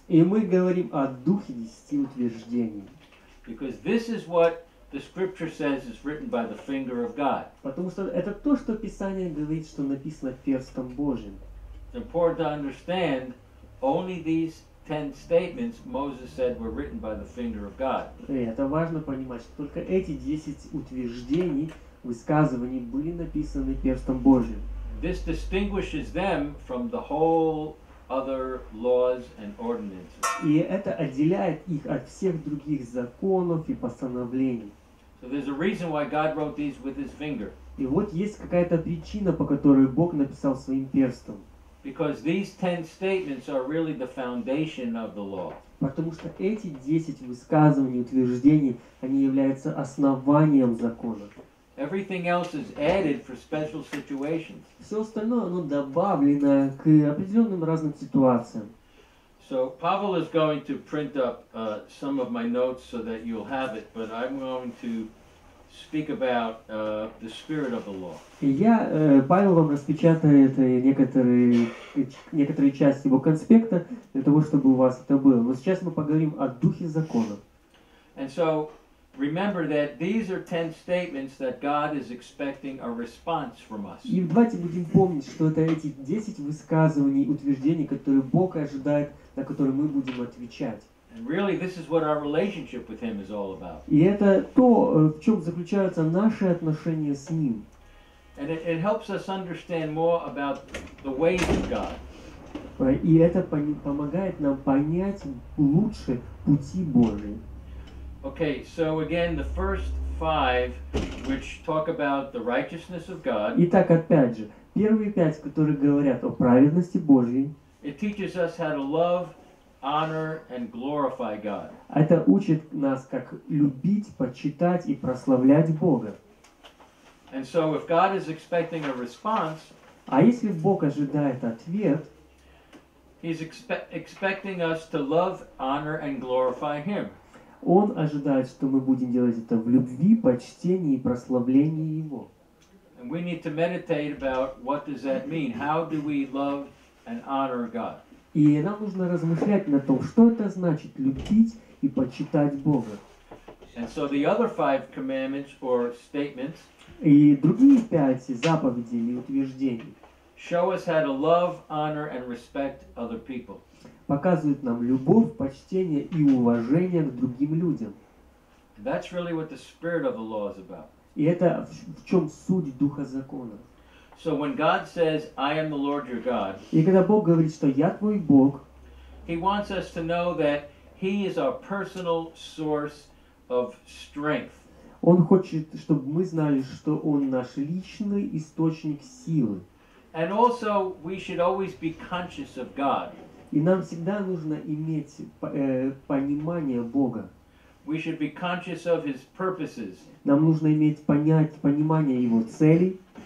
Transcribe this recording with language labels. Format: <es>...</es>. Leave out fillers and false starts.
<ru>И мы говорим о духе десяти утверждений.</ru> <en>Because this is what the scripture says is written by the finger of God.</en> <ru>Потому что это то, что Писание говорит, что написано перстом Божьим.</ru> <en>It's important to understand only these ten statements Moses said were written by the finger of God.</en> <ru>Это важно понимать, что только эти 10 утверждений, высказываний были написаны перстом Божьим.</ru> <en>This distinguishes them from the whole other laws and ordinances.</en> <ru>И это отделяет их от всех других законов и постановлений.</ru> <en>So there's a reason why God wrote these with his finger.</en> <ru>И вот есть какая-то причина, по которой Бог написал своим перстом.</ru> <en>Because these 10 statements are really the foundation of the law.</en> <ru>Потому что эти 10 высказываний, утверждений, они являются основанием закона.</ru> <en>Everything else is added for special situations.</en> <ru>Все остальное, оно добавлено к определенным разным ситуациям.</ru> <en>So Pavel is going to print up some of my notes so that you'll have it, but I'm going to speak about the spirit of the law.</en> <ru>Я Павел вам распечатает некоторые части его конспекта для того, чтобы у вас это было. Но сейчас мы поговорим о духе закона.</ru> <en>And so remember that these are 10 statements that God is expecting a response from us.</en> <ru>И давайте будем помнить, что это эти 10 высказываний, утверждений, которые Бог ожидает, на которые мы будем отвечать.</ru> <en>And really, this is what our relationship with Him is all about.</en> <ru>И это то, в чем заключаются наши отношения с Ним.</ru> <en>And it helps us understand more about the ways of God.</en> <ru>И это помогает нам понять лучше пути Божьи.</ru> <en>Okay, so again, the first five, which talk about the righteousness of God.</en> <ru>Итак, опять же, первые пять, которые говорят о праведности Божьей.</ru> <en>It teaches us how to love, honor, and glorify God.</en> <ru>Это учит нас, как любить, почитать и прославлять Бога.</ru> <en>And so, if God is expecting a response,</en> <ru>а если Бог ожидает ответ,</ru> <en>He's expecting us to love, honor, and glorify Him.</en> <ru>Он ожидает, что мы будем делать это в любви, почтении и прославлении Его.</ru> <en>And we need to meditate about what does that mean? How do we love and honor God?</en> <ru>И нам нужно размышлять на том, что это значит любить и почитать Бога.</ru> <en>And so the other five commandments or statements.</en> <ru>И другие пять заповедей или утверждений.</ru> <en>Show us how to love, honor, and respect other people.</en> <ru>Показывает нам любовь, почтение и уважение к другим людям.</ru> <en>That's really what the spirit of the law is about.</en> <ru>И это в чем суть духа закона.</ru> <en>So when God says, "I am the Lord your God,"</en> <ru>и когда Бог говорит, что я твой Бог,</ru> <en>He wants us to know that He is our personal source of strength.</en> <ru>Он хочет, чтобы мы знали, что Он наш личный источник силы.</ru> <en>And also, we should always be conscious of God.</en> <ru>И нам всегда нужно иметь понимание Бога.</ru> <en>We should be conscious of His purposes.</en> <ru>Нам нужно иметь понимание Его целей.</ru>